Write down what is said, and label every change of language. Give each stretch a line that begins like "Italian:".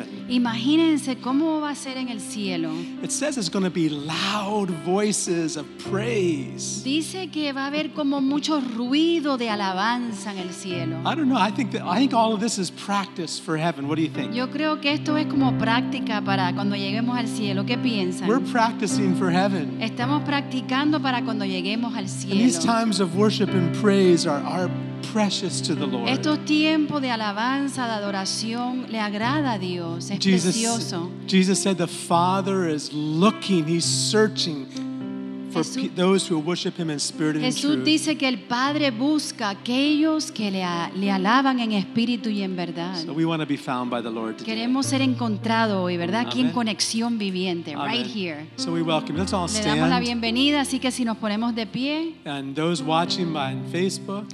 Spanish: Imagínense cómo va a ser en el cielo.
English: It says it's going to be loud voices of praise.
Spanish: Dice que va a haber como mucho ruido de alabanza en el cielo.
English: I don't know. I think all of this is practice for heaven. What do you think?
Spanish: Yo creo que esto es como práctica para cuando lleguemos al cielo. ¿Qué piensan?
English: We're practicing for heaven.
Spanish: Estamos practicando para cuando lleguemos al cielo.
English: These times of worship and praise are precious to the Lord.
Spanish: Estos tiempos de alabanza, de adoración, le agrada a Dios. Es precioso.
English: Jesus said the Father is looking, he's searching for those who worship him in spirit and
Spanish: Jesús
English: truth.
Spanish: Dice que el Padre busca aquellos que le alaban en espíritu y en verdad.
English: So we want to be found by the Lord today.
Spanish: Queremos ser encontrado hoy, ¿verdad? Aquí en conexión viviente.
English: Amen. Right here. So we welcome. Let's all stand.
Spanish: Le damos la bienvenida, así que si nos ponemos de pie.
English: And those watching by Facebook.